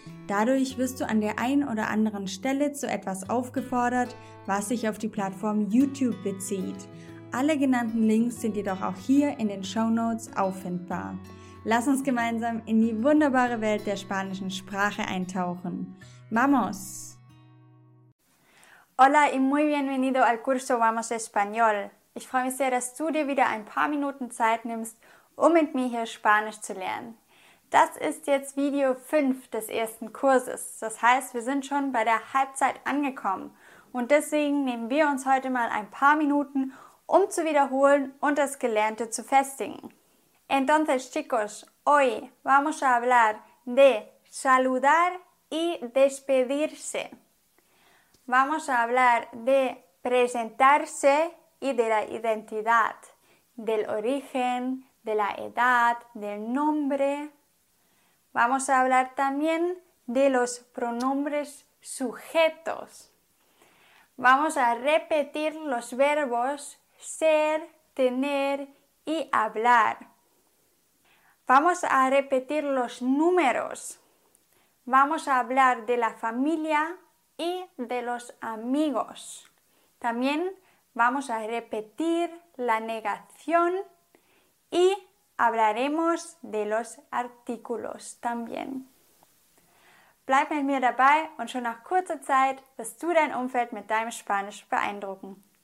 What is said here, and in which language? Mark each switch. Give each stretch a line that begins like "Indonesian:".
German: Dadurch wirst du an der einen oder anderen Stelle zu etwas aufgefordert, was sich auf die Plattform YouTube bezieht. Alle genannten Links sind jedoch auch hier in den Shownotes auffindbar. Lass uns gemeinsam in die wunderbare Welt der spanischen Sprache eintauchen.
Spanish: ¡Vamos! Hola y muy bienvenido al curso Vamos Español.
German: Ich freue mich sehr, dass du dir wieder ein paar Minuten Zeit nimmst, um mit mir hier Spanisch zu lernen. Das ist jetzt Video 5 des ersten Kurses. Das heißt, wir sind schon bei der Halbzeit angekommen. Und deswegen nehmen wir uns heute mal ein paar Minuten, um zu wiederholen und das Gelernte zu festigen.
Spanish: Entonces, chicos, hoy vamos a hablar de saludar y despedirse. Vamos a hablar de presentarse y de la identidad, del origen, de la edad, del nombre. Vamos a hablar también de los pronombres sujetos. Vamos a repetir los verbos ser, tener y hablar. Vamos a repetir los números. Vamos a hablar de la familia y de los amigos. También vamos a repetir la negación y hablaremos de los artículos también.
German: Bleib mit mir dabei und schon nach kurzer Zeit wirst du dein Umfeld mit deinem Spanisch beeindrucken.